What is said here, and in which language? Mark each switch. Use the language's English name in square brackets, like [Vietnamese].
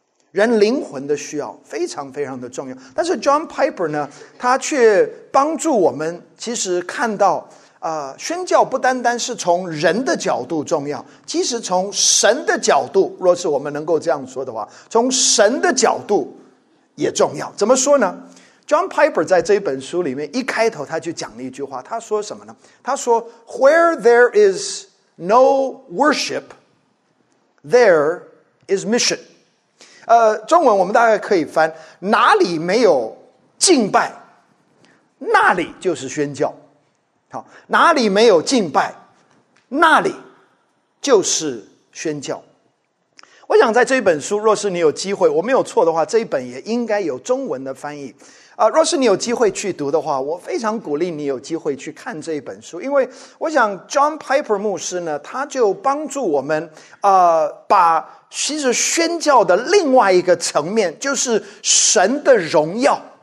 [Chinese] 人灵魂的需要非常非常的重要，但是 John Piper 呢他却帮助我们其实看到宣教不单单是从人的角度重要，其实从神的角度，若是我们能够这样说的话，从神的角度也重要。怎么说呢？ John Piper 在这本书里面一开头他就讲了一句话，他说什么呢？他说 [English] Where there is no worship, there is mission。 [Chinese] 中文我们大概可以翻，哪里没有敬拜，那里就是宣教。好，哪里没有敬拜，那里就是宣教。我想在这一本书，若是你有机会，我没有错的话，这一本也应该有中文的翻译若是你有机会去读的话，我非常鼓励你有机会去看这一本书，因为我想 John Piper 牧师呢，他就帮助我们把其实宣教的另外一个层面，就是神的荣耀，